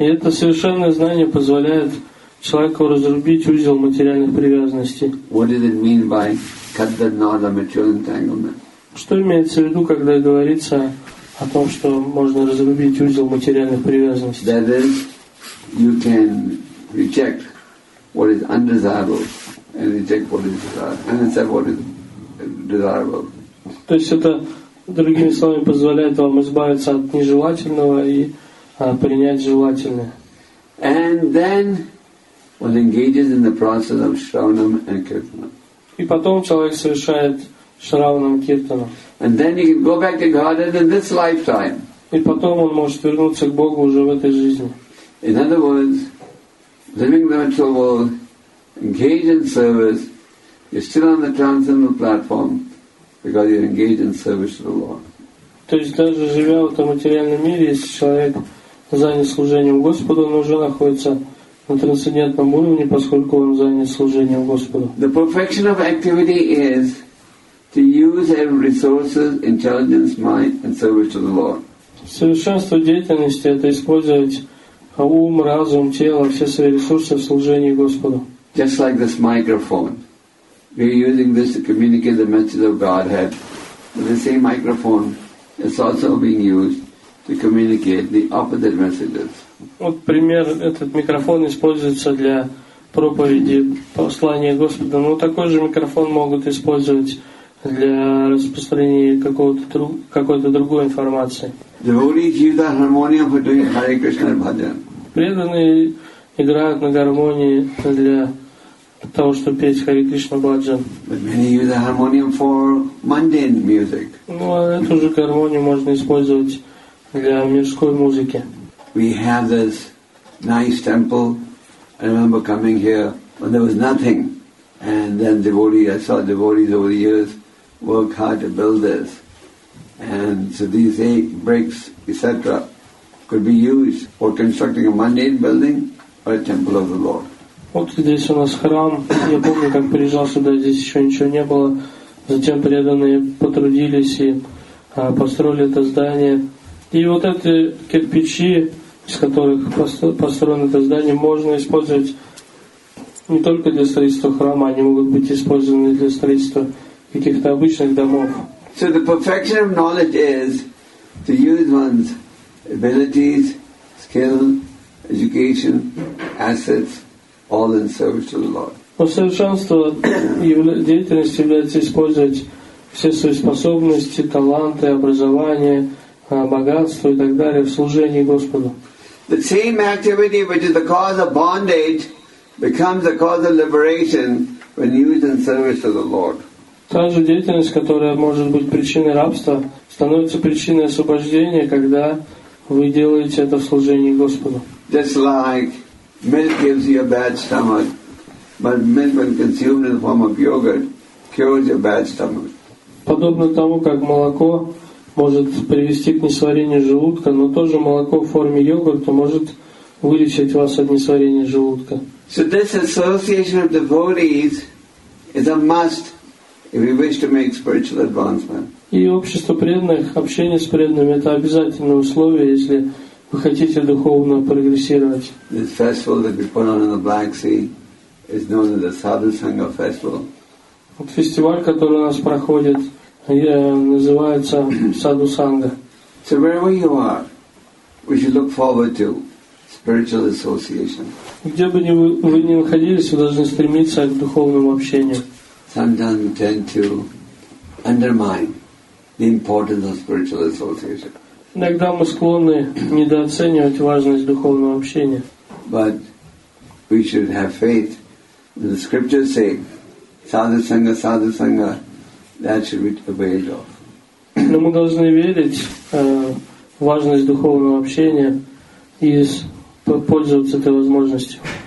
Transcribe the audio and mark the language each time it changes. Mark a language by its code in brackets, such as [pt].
[ru] И это совершенное знание позволяет человеку разрубить узел материальных привязанностей. [en] What does it mean by cut the knot of material entanglement? [ru] Что имеется в виду, когда говорится о том, что можно разрубить узел материальных привязанностей? [en] That is, you can reject what is undesirable and reject what is desirable, and accept what is desirable. [ru] То есть это, другими словами, позволяет вам избавиться от нежелательного и принять желательное. [en] And then one engages in the process of shravanam and kirtanam. [ru] И потом человек совершает шравнам, киртанам. [en] And then he can go back to God in this lifetime. [ru] И потом он может вернуться к Богу уже в этой жизни. [en] In other words, living in the material world, engaged in service, you're still on the transcendental platform. Because you're engaged in service to the Lord. [ru] То есть даже живя в этом материальном мире, если человек занят служением Господу, он уже находится на трансцендентном уровне, поскольку он занят служением Господу. [en] The perfection of activity is to use every resource, intelligence, mind, and service to the Lord. [ru] Совершенство деятельности — это использовать ум, разум, тело, все свои ресурсы в служении Господу. [en] Just like this microphone. We're using this to communicate the message of Godhead. The same microphone is also being used to communicate the opposite messages. [ru] Вот пример, этот микрофон используется для проповеди послания Господа. Но такой же микрофон могут использовать для распространения какой-то другой информации. [en] Devotees use the harmonium for doing Hare Krishna Bhajan. [ru] Преданные играют на гармонии для того, чтобы петь Хари Кришна Бхаджан. [en] But many use the harmonium for mundane music. [ru] Ну, а эту же гармонию можно использовать для мирской музыки. [en] We have this nice temple. I remember coming here when there was nothing. And then devotees, I saw devotees over the years work hard to build this. And so these eight bricks, etc., could be used for constructing a mundane building or a temple of the Lord. [ru] Вот здесь у нас храм. Я помню, как приезжал сюда, здесь еще ничего не было. Затем преданные потрудились и построили это здание. И вот эти кирпичи, из которых построено это здание, можно использовать не только для строительства храма, они могут быть использованы для строительства каких-то обычных домов. [en] So the perfection of knowledge is to use one's abilities, skill, education, assets, all in service to the Lord. [ru] Но совершенство деятельности является использовать все свои способности, таланты, образование, богатство и так далее в служении Господу. [en] The same activity which is the cause of bondage becomes the cause of liberation when used in service to the Lord. [ru] Та же деятельность, которая может быть причиной рабства, становится причиной освобождения, когда вы делаете это в служении Господу. [en] Just like milk gives you a bad stomach, but milk when consumed in the form of yogurt cures your bad stomach. [ru] Подобно тому, как молоко может привести к несварению желудка, но тоже молоко в форме йогурта может вылечить вас от несварения желудка. [en] So this association of devotees is a must If we wish to make spiritual advancement. [ru] И общество преданных, общение с преданными – это обязательное условие, если вы хотите духовно прогрессировать. [en] This festival that we put on in the Black Sea is known as the Sadhu Sangha Festival. [ru] Вот фестиваль, который у нас проходит, называется Sadhu Sangha. [en] So wherever you are, we should look forward to spiritual association. [ru] Где бы вы ни находились, вы должны стремиться к духовному общению. [en] Sometimes we tend to undermine the importance of spiritual association. [ru] Иногда мы склонны недооценивать важность духовного общения. [en] But we should have faith. The scriptures say, "Sadhu sangha, sadhu sangha." That should be obeyed of. [ru] Но мы должны верить важность духовного общения и пользоваться этой возможностью.